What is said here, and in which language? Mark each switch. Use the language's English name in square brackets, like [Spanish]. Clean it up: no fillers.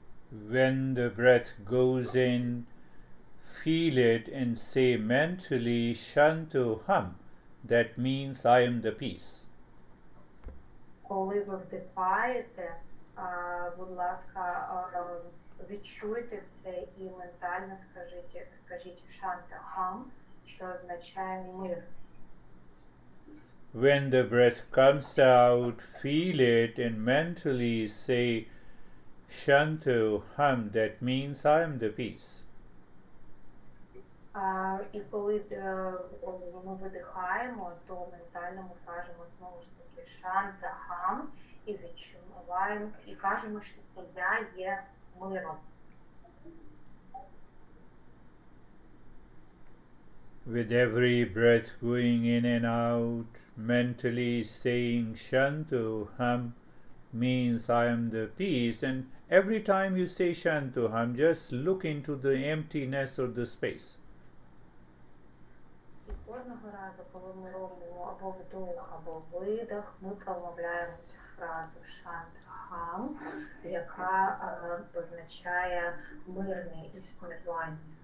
[English] When the breath goes in, feel it and say mentally shanto hum, that means I am the peace. [Ukrainian] Коли ви вдихаєте, будь ласка, відчуйте це і ментально скажіть shanto hum, що означає мир. [English] When the breath comes out, feel it and mentally say shanto hum, that means I am the peace. [Ukrainian] І коли ми видихаємо, то ментально ми кажемо знову ж таки шанта хам і відчуваємо і кажемо, що це я є миром. [English] With every breath going in and out, mentally saying shanto hum means I am the peace, and every time you say shanto hum, just look into the emptiness or the space. [Ukrainian] Кожного разу, коли ми робимо або вдох, або видих, ми промовляємо цю фразу «шант-хам», яка позначає мирне існування.